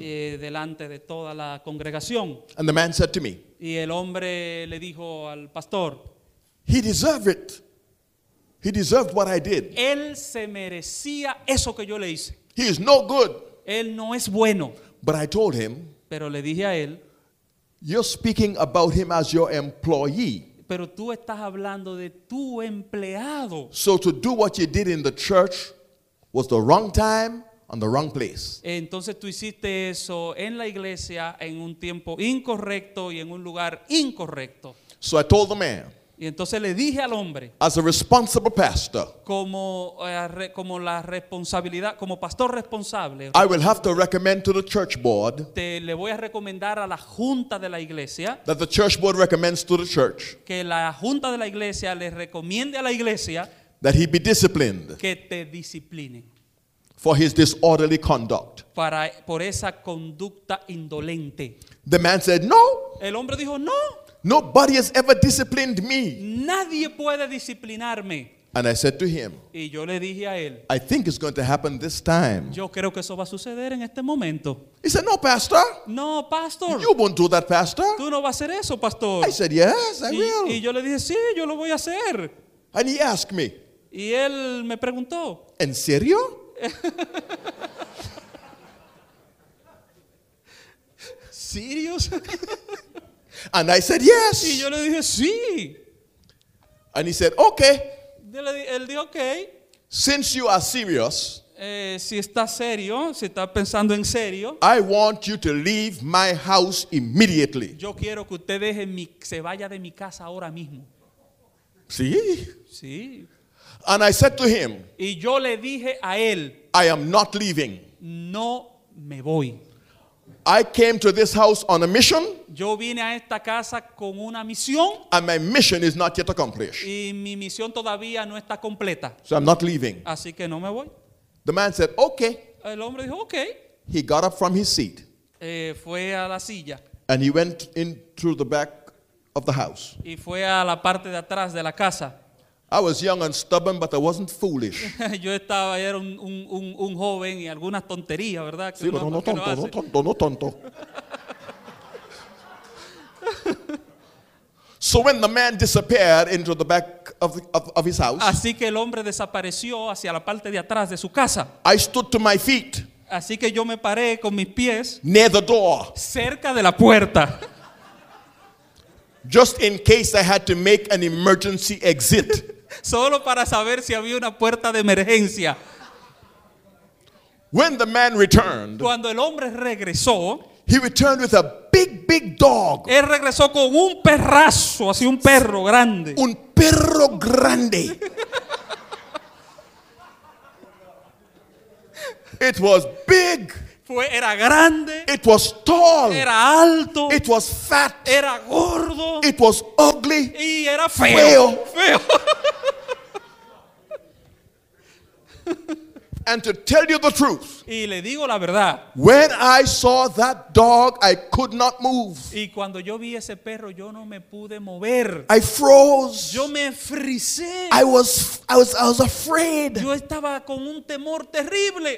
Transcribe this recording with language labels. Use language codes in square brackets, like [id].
[es] Delante de toda la congregación. [en] And the man said to me. [es] Y el hombre le dijo al pastor. [en] He deserved it. He deserved what I did. [es] Él se merecía eso que yo le hice. [en] He is no good. [es] Él no es bueno. [en] But I told him. [es] Pero le dije a él. [en] You're speaking about him as your employee. [es] Pero tú estás hablando de tu empleado. [en] So to do what you did in the church was the wrong time and the wrong place. [es] Entonces tú hiciste eso en la iglesia en un tiempo incorrecto y en un lugar incorrecto. [en] So I told the man. [es] Y entonces le dije al hombre. [en] As a responsible pastor. [es] Como la responsabilidad, como pastor responsable. [en] I will have to recommend to the church board. [es] Le voy a recomendar a la junta de la iglesia. [en] That the church board recommends to the church. [es] Que la junta de la iglesia le recomiende a la iglesia. [en] That he be disciplined. [es] Que te discipline. [en] For his disorderly conduct. [es] Por esa conducta indolente. [en] The man said no. [es] El hombre dijo no. [en] Nobody has ever disciplined me. [es] Nadie puede disciplinarme. [en] And I said to him. [es] Y yo le dije a él. [en] I think it's going to happen this time. [es] Yo creo que eso va a suceder en este momento. [en] He said, "No, pastor." [es] No, pastor. [en] You won't do that, pastor. [es] Tú no vas a hacer eso, pastor. [en] I said, "Yes, I will." [es] Y yo le dije, "Sí, yo lo voy a hacer." [en] And he asked me. [es] Y él me preguntó. ¿En serio? ¿Serios? [en] And I said yes. [es] Y yo le dije, sí. [en] And he said okay. [es] Él dijo okay. [en] Since you are serious, [es] si está serio, si está pensando en serio, [en] I want you to leave my house immediately. [es] Yo quiero que usted deje se vaya de mi casa ahora mismo. Sí. Sí. [en] And I said to him. [es] Y yo le dije a él. [en] I am not leaving. [es] No me voy. [en] I came to this house on a mission. [es] Yo vine a esta casa con una misión. [en] And my mission is not yet accomplished. [es] Y mi misión todavía no está completa. [en] So I'm not leaving. [es] Así que no me voy. [en] The man said, okay. [es] El hombre dijo, okay. [en] He got up from his seat. [es] Fue a la silla. [en] And he went in through the back of the house. [es] Y fue a la parte de atrás de la casa. [en] I was young and stubborn, but I wasn't foolish. [es] Yo estaba, era un joven y algunas tonterías, ¿verdad? Sí, pero no tonto, no tonto, no tonto. [en] So when the man disappeared into the back of his house, [es] así que el hombre desapareció hacia la parte de atrás de su casa. [en] I stood to my feet. [es] Así que yo me paré con mis pies. [en] Near the door. [es] Cerca de la puerta. [en] Just in case I had to make an emergency exit. [es] Solo para saber si había una puerta de emergencia. [en] When the man returned, [es] cuando el hombre regresó, [en] he returned with a big dog. [es] Él regresó con un perrazo, así un perro grande. Un perro grande. [en] It was big. [es] Era grande. [en] It was tall. [es] Era alto. [en] It was fat. [es] Era gordo. [en] It was ugly. [es] Y era feo. Feo. [en] And to tell you the truth. [es] Y le digo la verdad. [en] When I saw that dog, I could not move. [es] Y cuando yo vi ese perro, yo no me pude mover. [en] I froze. [es] Yo me frisé. [en] I was afraid. [es] Yo estaba con un temor terrible.